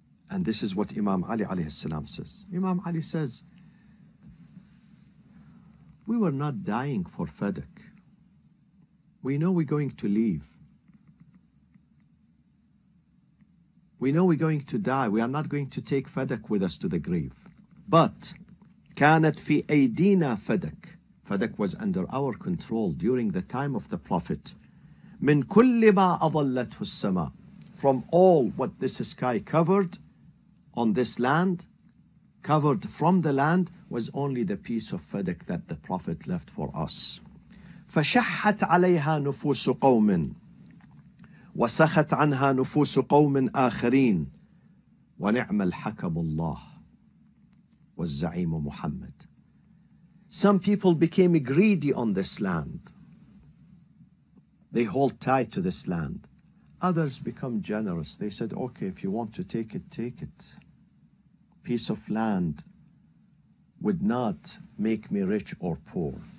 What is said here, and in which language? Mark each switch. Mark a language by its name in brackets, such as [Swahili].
[English] And this is what Imam Ali alayhi salam says. Imam Ali says, we were not dying for Fadak. We know we're going to leave. We know we're going to die. We are not going to take Fadak with us to the grave. [Arabic] But كانت في أيدينا فدك. [English] Fadak was under our control during the time of the Prophet. [Arabic] من كل ما أظلته السماء. [English] From all what this sky covered on this land, covered from the land, was only the piece of Fadak that the Prophet left for us. [Arabic] فشحت عليها نفوس قوم وسخت عنها نفوس قوم آخرين ونعم الحكم الله والزعيم محمد. [English] Some people became greedy on this land. They hold tight to this land. Others become generous. They said, okay, if you want to take it, take it. Piece of land would not make me rich or poor.